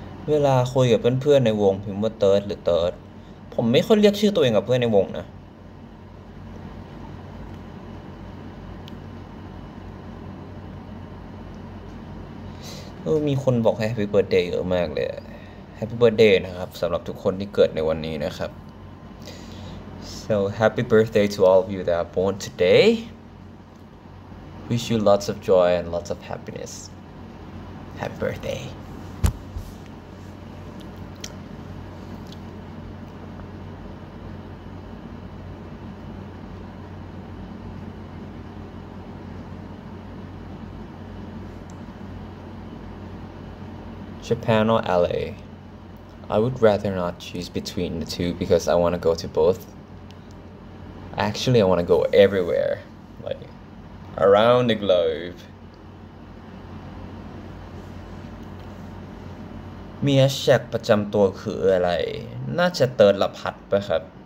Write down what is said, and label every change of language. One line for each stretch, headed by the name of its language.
Thai: เวลาคุยกับเพื่อนๆในวงพิมพ์ว่าเติร์ดหรือเติร์ดผมไม่ค่อยเรียกชื่อตัวเองกับเพื่อนในวงนะเออมีคนบอกให้แฮปปี้เบิร์ดเดย์เยอะมากเลยแฮปปี้เบิร์ดเดย์นะครับสำหรับทุกคนที่เกิดในวันนี้นะครับ
English: So happy birthday to all of you that are born today. Wish you lots of joy and lots of happiness. Happy birthday. Japan or LA? I would rather not choose between the two because I want to go to both. Actually, I want to go everywhere, like around the globe.
Thai: มีแฮชแท็กประจำตัวคืออะไรน่าจะเติร์ดละพัดป่ะครับ